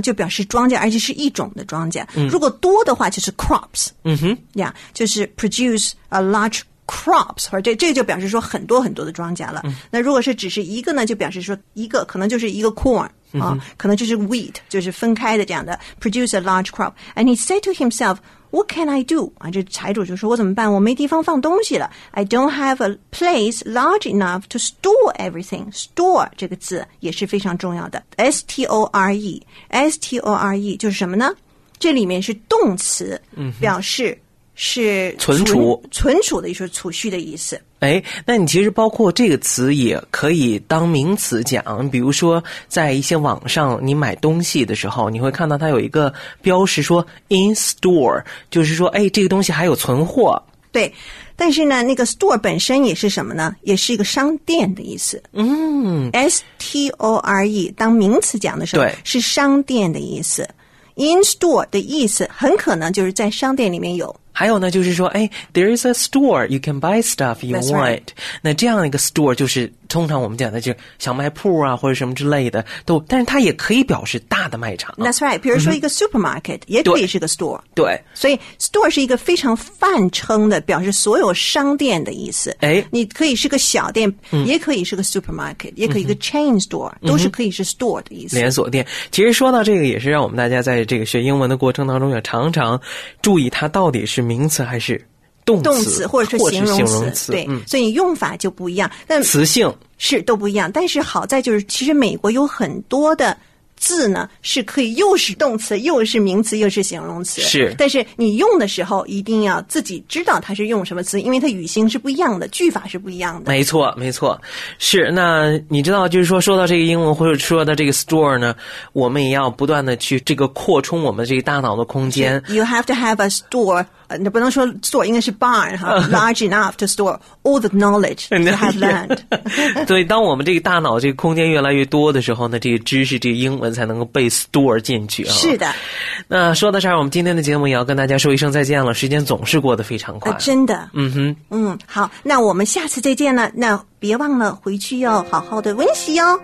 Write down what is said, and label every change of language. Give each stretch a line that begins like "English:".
Chinese: 就表示庄稼，而且是一种的庄稼。嗯、如果多的话就是 crops。嗯哼，呀、yeah, ，就是
English: produce a large crops，
Chinese: 或者这个、就表示说很多很多的庄稼了、嗯。那如果是只是一个呢，就表示说一个可能就是一个 corn。啊、可能就是 wheat， 就是分开的这样的
English: produce a large crop. And he said to himself, "What can I do?"
Chinese: 啊，这财主就说，我怎么办？我没地方放东西了。
English: I don't have a place large enough to store everything.
Chinese: Store 这个字也是非常重要的 ，store， store 就是什么呢？这里面是动词，表示是存储的，就是储蓄的意思。哎，那你其实包括这个词也可以当名词讲，比如说在一些网上你买东西的时候，你会看到它有一个标识说 in store， 就是说哎，这个东西还有存货。对，但是呢，那个 store 本身也是什么呢？也是一个商店的意思。嗯，store 当名词讲的时候，对，是商店的意思。In store 的意思很可能就是在商店里面有。还有呢，就是说，哎 ，
English: there is a store you can buy stuff you want。 That's right.
Chinese: 那这样一个 store 就是通常我们讲的就是小卖铺啊，或者什么之类的都，但是它也可以表示大的卖场。
English: That's right.
Chinese: 比如说一个 supermarket、也可以是个 store。对。所以 store 是一个非常泛称的，表示所有商店的意思。哎，你可以是个小店，嗯、也可以是个 supermarket， 也可以一个 chain store，、都是可以是 store 的意思。连锁店。其实说到这个，也是让我们大家在这个学英文的过程当中要常常注意它到底是名词还是动词，动词或者是形容 词, 形容词，对、所以用法就不一样，但词性是都不一样，但是好在就是其实美国有很多的字呢是可以又是动词又是名词又是形容词，是，但是你用的时候一定要自己知道它是用什么词，因为它语型是不一样的，句法是不一样的，没错没错，是，那你知道就是说说到这个英文或者说到这个 store 呢，我们也要不断的去这个扩充我们这个大脑的空间，
English: You have to have a store，
Chinese: 你不能说
English: store
Chinese: 应该是
English: barn large enough to store all the knowledge you have learned
Chinese: 对，当我们这个大脑这个空间越来越多的时候呢，这个知识这个英文才能够被 store 进去，是的，那说到这儿我们今天的节目也要跟大家说一声再见了，时间总是过得非常快、真的，嗯哼，嗯，好，那我们下次再见了，那别忘了回去要好好的温习哦，